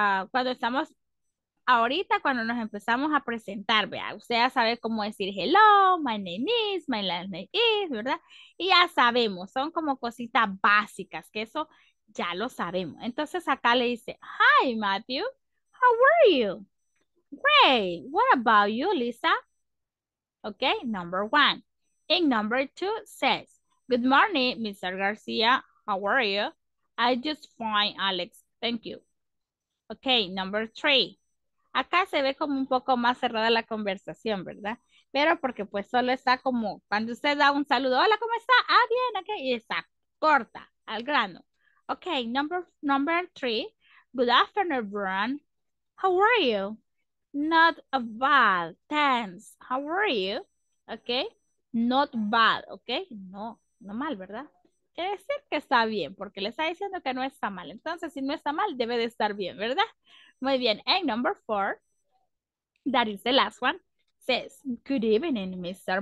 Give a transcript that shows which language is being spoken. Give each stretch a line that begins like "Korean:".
Spanish: Cuando estamos ahorita, cuando nos empezamos a presentar, vea, usted ya sabe cómo decir
English: hello, my name is,
Spanish: my last name is, ¿verdad? Y ya sabemos, son como cositas básicas, que eso ya lo sabemos. Entonces acá le dice,
English: hi Matthew, how are you? Great, what about you, Lisa? Okay, number one. And number two says, good morning, Mr. Garcia, how are you? I just fine, Alex, thank you. Okay, number three.
Spanish: Acá se ve como un poco más cerrada la conversación, ¿verdad? Pero porque pues solo está como cuando usted da un saludo. Hola, ¿cómo está? Ah, bien, ok. Y está corta, al grano.
English: Ok, number three. Good afternoon, Brian. How are you? Not bad. Thanks. How are you? Ok. Not bad, ok.
Spanish: No, no mal, ¿verdad? Quiere decir que está bien, porque le está diciendo que no está mal. Entonces, si no está mal, debe de estar bien, ¿verdad? Muy bien.
English: And number four, that is the last one, says, good evening, Mr.